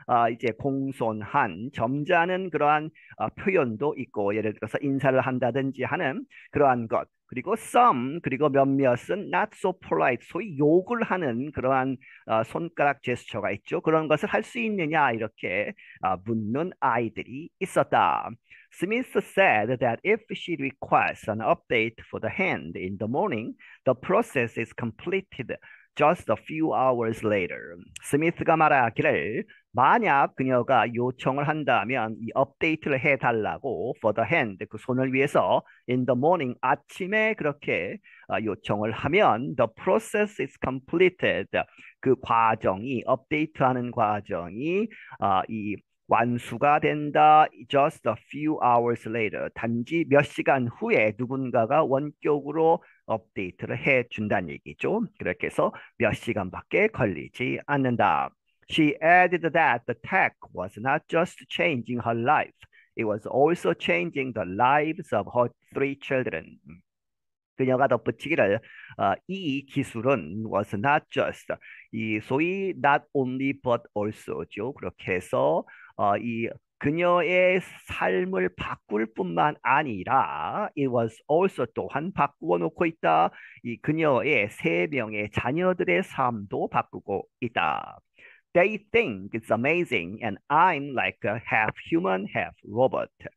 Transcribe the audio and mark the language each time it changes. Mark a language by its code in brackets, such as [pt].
[ko] 이제 공손한 점잖은 그러한 표현도 있고 예를 들어서 인사를 한다든지 하는 그러한 것 그리고 some 그리고 몇몇은 [en] not so polite [ko] 소위 욕을 하는 그러한 손가락 제스처가 있죠. 그런 것을 할수 있느냐 이렇게 묻는 아이들이 있었다. [en] Smith said that if she requests an update for the hand in the morning, the process is completed just a few hours later. [ko] Smith가 말하기를 만약 그녀가 요청을 한다면 이 업데이트를 해달라고 [en] for the hand [ko] 그 손을 위해서 [en] in the morning [ko] 아침에 그렇게 요청을 하면 [en] the process is completed [ko] 그 과정이 업데이트하는 과정이 이 완수가 된다. [en] Just a few hours later. [ko] 단지 몇 시간 후에 누군가가 원격으로 업데이트를 해 준다는 얘기죠. 그렇게 해서 몇 시간밖에 걸리지 않는다. [en] She added that the tech was not just changing her life. It was also changing the lives of her three children. [ko] 그녀가 덧붙이기를 이 기술은 [en] was not just [ko] 이 소위 [en] not only but also [ko] 죠. 그렇게 해서 이 그녀의 삶을 바꿀 뿐만 아니라 [en] it was also [ko] 또한 바꾸어 놓고 있다. 이 그녀의 세 명의 자녀들의 삶도 바꾸고 있다. [en] They think it's amazing and I'm like a half human, half robot.